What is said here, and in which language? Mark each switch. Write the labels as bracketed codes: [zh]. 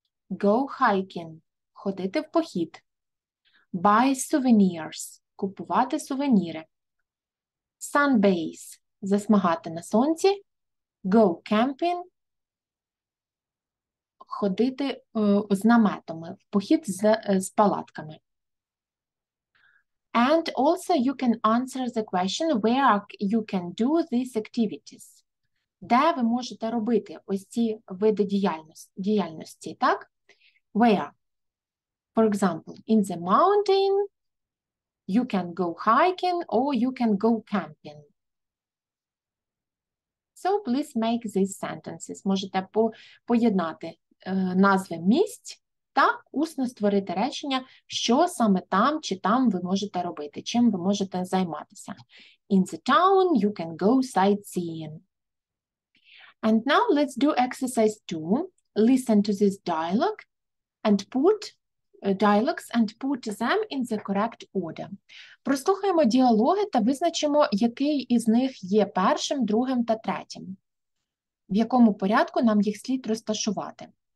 [en] Go hiking. [uk] Ходити в похід. [en] Buy souvenirs. [uk] Купувати сувеніри. Sunbathe. Засмагати на сонці. [en] Go camping. [uk] Ходити з наметами, в похід з палатками. [en] And also you can answer the question where you can do these activities. [uk] Де ви можете робити ось ці види діяльності, так? [en] Where? For example, in the mountain, you can go hiking or you can go camping. So please make these sentences. [uk] Можете поєднати назви місць та усно створити речення, що саме там чи там ви можете робити, чим ви можете займатися. [en] In the town, you can go sightseeing. And now let's do exercise 2. Listen to this dialogue and put dialogues and put them in the correct order. [uk] Прослухаємо діалоги та визначимо, який із них є першим, другим та третім. В якому порядку нам їх слід розташувати.